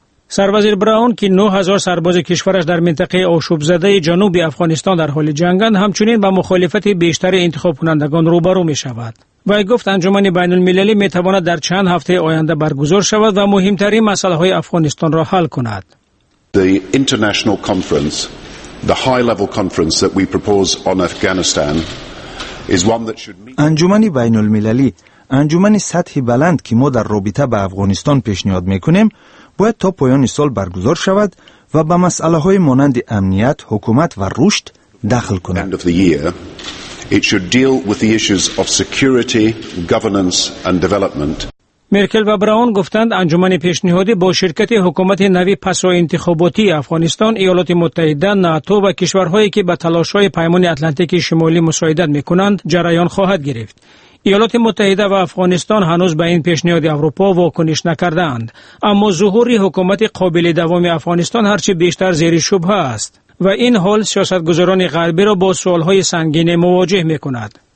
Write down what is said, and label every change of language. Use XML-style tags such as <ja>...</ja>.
<fa>سروزیر براون که 9000 سرباز کشورش در منطقه آشوب زده جنوب افغانستان در حال جنگند همچنین با مخالفت بیشتر انتخاب کنندگان روبرو می‌شود. وی گفت انجمن بین المللی می تواند در چند هفته آینده برگزار شود و مهمترین مسئله های افغانستان را حل کند.</fa> <en>The international conference, the high level conference that we propose on Afghanistan is one that should meet.</en> <fa>انجمن بین المللی، انجمن سطح بلند که ما در رابطه با افغانستان پیشنهاد می کنیم، باید تا پایان سال برگزار شود و به مسئله های مانند امنیت، حکومت و رشد دخل کند.</fa> <en>It should deal with the issues of security, governance and development.</en> <fa>مرکل و براون گفتند انجمن پیشنهادی با شرکت حکومت نوی پس از انتخاباتی افغانستان، ایالات متحده، ناتو و کشورهایی که به تلاش‌های پیمان اتلانتیک شمالی مساعدت می‌کنند جریان خواهد گرفت. ایالات متحده و افغانستان هنوز به این پیشنهاد اروپا واکنش نکردند، اما ظهور حکومت قابل دوام افغانستان هرچی بیشتر زیر شبه است و این حال سیاستگزاران غربی را با سوالهای سنگین مواجه میکند.</fa>